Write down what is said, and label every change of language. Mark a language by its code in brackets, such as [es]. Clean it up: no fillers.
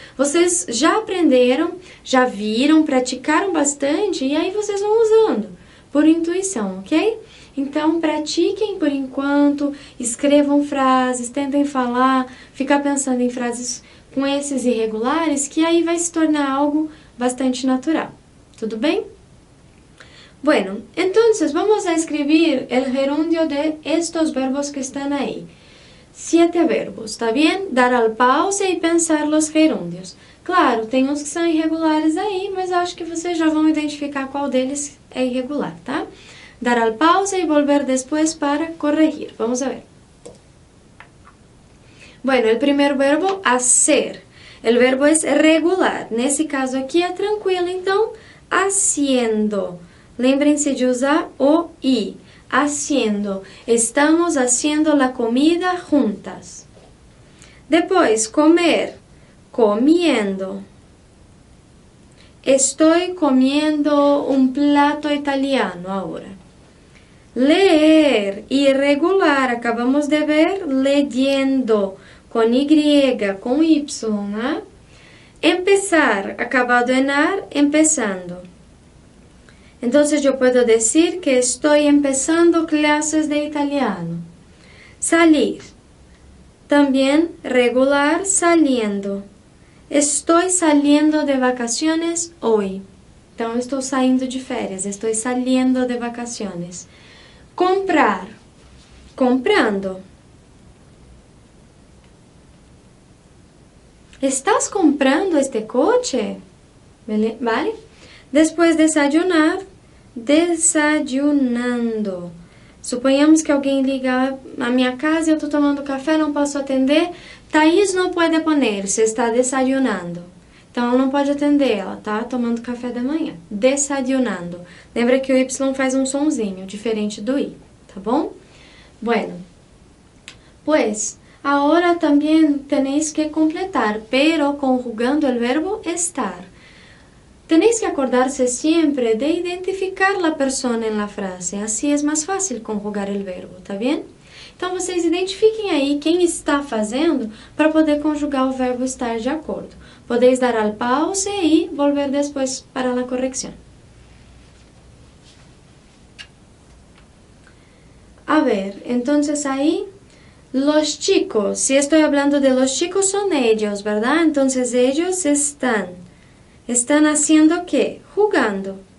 [pt] Vocês já aprenderam, já viram, praticaram bastante e aí vocês vão usando por intuição, ok? Então, pratiquem por enquanto, escrevam frases, tentem falar, ficar pensando em frases com esses irregulares, que aí vai se tornar algo bastante natural. Tudo bem? [es] Bueno, entonces vamos a escribir el gerundio de estos verbos que están ahí. Siete verbos, ¿está bien? Dar al pause y pensar los gerundios. [pt] Claro, tem uns que são irregulares aí, mas acho que vocês já vão identificar qual deles é irregular, tá? [es] Dar al pause y volver después para corregir. Vamos a ver. Bueno, el primer verbo, hacer. El verbo es regular. [pt] Nesse caso aqui é tranquilo, então, haciendo. Lembrem-se de usar o i. Haciendo. [es] Estamos haciendo la comida juntas. Depois, comer. Comiendo. Estoy comiendo un plato italiano ahora. [pt] Ler, irregular, acabamos de ver, leyendo, com Y, com Y. [es] Empezar, acabado en ar, empezando. [pt] Então, eu posso dizer que estou empezando classes de italiano. [es] Salir, também regular, saliendo. [pt] Estou [es] saliendo de vacaciones hoy. [pt] Então, estou saindo de férias, estou saliendo de vacaciones. [es] Comprar, comprando. Estás comprando este coche? Vale? Depois, desayunar, desayunando. [pt] Suponhamos que alguém liga a minha casa e eu estou tomando café, não posso atender. Thaís não pode poner, se está desayunando. Então, ela não pode atender, ela está tomando café da manhã. Desayunando. Lembra que o Y faz um sonzinho, diferente do I. Tá bom? [es] Bueno, pues, ahora también tenéis que completar, pero conjugando el verbo estar. Tenéis que acordarse siempre de identificar la persona en la frase, así es más fácil conjugar el verbo, tá bien? [pt] Então, vocês identifiquem aí quem está fazendo para poder conjugar o verbo estar de acordo. [es] Podéis dar al pause e volver después para la corrección. A ver, entonces ahí, los chicos, si estoy hablando de los chicos, son ellos, ¿verdad? Entonces ellos están haciendo ¿qué? Jugando.